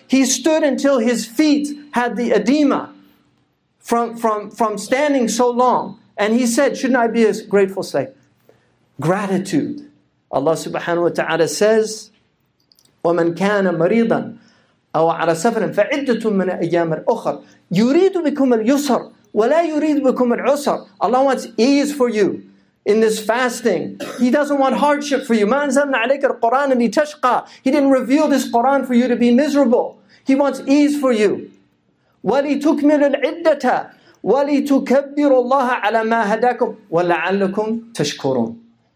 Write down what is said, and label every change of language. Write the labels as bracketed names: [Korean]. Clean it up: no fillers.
[English] He stood until his feet had the edema from standing so long. And he said, shouldn't I be a grateful slave? Gratitude. Allah subhanahu wa ta'ala says, [Arabic] وَمَنْ كَانَ مَرِيضًا أَوْ عَلَى سَفَرٍ فَعِدَّةٌ مِنَ أَيَّامِ الْأُخَرِ يُرِيدُ بِكُمَ الْيُسْرَ وَلَا يُرِيدُ بِكُمَ الْعُسْرَ. [English] Allah wants ease for you in this fasting. He doesn't want hardship for you. [Arabic] مَا أَنزَلْنَا عَلَيْكَ الْقُرْآنَ لِتَشْقَى. [English] He didn't reveal this Quran for you to be miserable. He wants ease for you. [Arabic] وَلِتُكْمِلُ الْعِدَّةَ وَلِتُكَبِّرُ اللَّهَ عَلَى مَا هَدَاكُمْ وَلَعَلَّكُمْ تَشْكُرُونَ.